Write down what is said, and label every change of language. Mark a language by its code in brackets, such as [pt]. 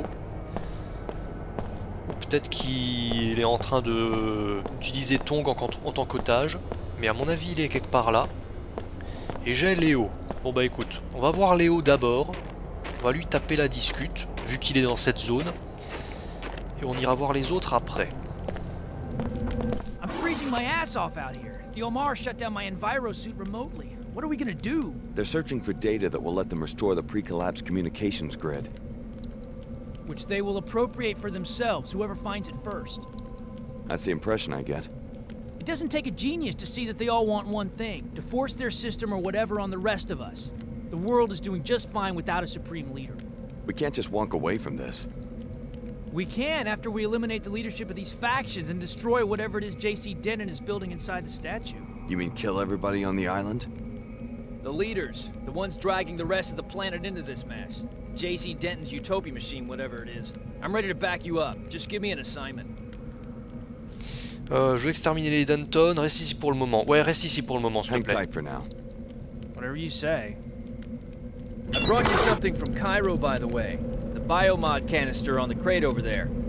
[fr] Ou peut-être qu'il est en train d'utiliser Tong en tant qu'otage. Mais à mon avis, il est quelque part là. Et j'ai Léo. Bon bah écoute, on va voir Léo d'abord, on va lui taper la discute, vu qu'il est dans cette zone, et on ira voir les autres après. [en] I'm freezing my ass off out here. The Omar shut down my enviro suit remotely. What are we gonna do? They're searching for data that will let them restore the pre-collapse communications grid. Which they will appropriate for themselves, whoever finds it first. That's the impression I get. It doesn't take a genius to see that they all want one thing, to force their system or whatever on the rest of us. The world is doing just fine without a supreme leader. We can't just walk away from this. We can, after we eliminate the leadership of these factions and destroy whatever it is JC Denton is building inside the statue. You mean kill everybody on the island? The leaders, the ones dragging the rest of the planet into this mess. JC Denton's utopia machine, whatever it is. I'm ready to back you up, just give me an assignment. [fr] Je vais exterminer les Denton, reste ici pour le moment. Ouais, reste ici pour le moment, s'il te plaît. [en] Tight for now. Whatever you say. I brought you something from Cairo, by the way. The biomod canister on the crate over there.